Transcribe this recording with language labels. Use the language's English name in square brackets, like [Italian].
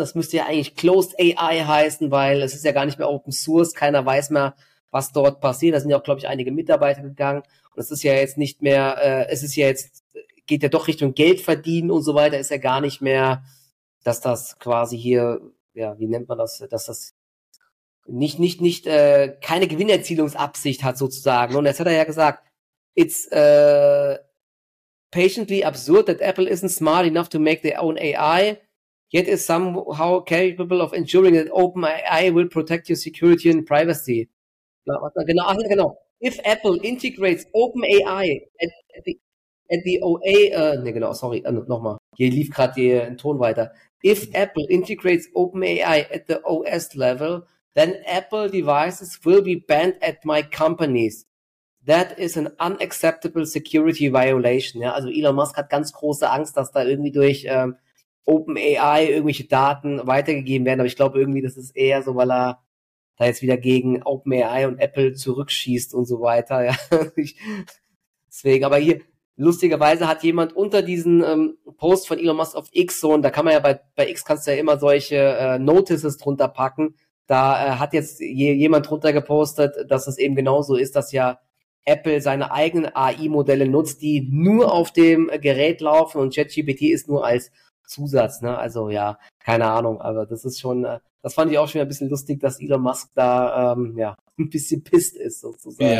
[German] Das müsste ja eigentlich Closed AI heißen, weil es ist ja gar nicht mehr Open Source, keiner weiß mehr, was dort passiert. Da sind ja auch, glaube ich, einige Mitarbeiter gegangen. Und es ist ja jetzt nicht mehr, es ist ja jetzt, geht ja doch Richtung Geld verdienen und so weiter, ist ja gar nicht mehr, dass das quasi hier, ja, wie nennt man das, dass das nicht keine Gewinnerzielungsabsicht hat sozusagen. Und jetzt hat er ja gesagt, [English] it's patiently absurd that Apple isn't smart enough to make their own AI, yet is somehow capable of ensuring that OpenAI will protect your security and privacy. [German] Genau, ach ja, genau. [English] If Apple integrates OpenAI at the OA, [German] nochmal. Hier lief gerade der Ton weiter. [English] If Apple integrates OpenAI at the OS level, then Apple devices will be banned at my companies. That is an unacceptable security violation. [German] Ja, also Elon Musk hat ganz große Angst, dass da irgendwie durch OpenAI irgendwelche Daten weitergegeben werden. Aber ich glaube irgendwie, das ist eher so, weil er da jetzt wieder gegen OpenAI und Apple zurückschießt und so weiter, ja. Deswegen, aber hier, lustigerweise hat jemand unter diesen Post von Elon Musk auf X, so, und da kann man ja bei X kannst du ja immer solche Notices drunter packen, da hat jetzt jemand drunter gepostet, dass es eben genauso ist, dass ja Apple seine eigenen AI-Modelle nutzt, die nur auf dem Gerät laufen und ChatGPT ist nur als Zusatz, ne, also ja, keine Ahnung, aber das ist schon, das fand ich auch schon ein bisschen lustig, dass Elon Musk da ja ein bisschen pisst ist sozusagen.